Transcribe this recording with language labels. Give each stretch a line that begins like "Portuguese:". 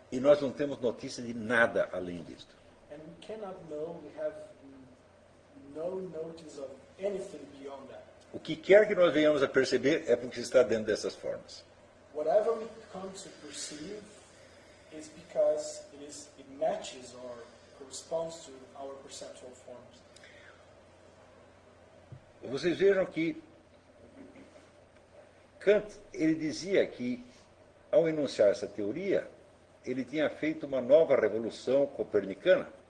Portuguese: E nós não temos notícia de nada além disto.
English: And we cannot know, we have no notice of anything beyond that.
Portuguese: O que quer que nós venhamos a perceber é porque está dentro dessas formas.
English: Whatever we come to perceive is because it matches or corresponds to our perceptual forms.
Portuguese: Vocês vejam que Kant, ele dizia que, ao enunciar essa teoria, ele tinha feito uma nova revolução copernicana.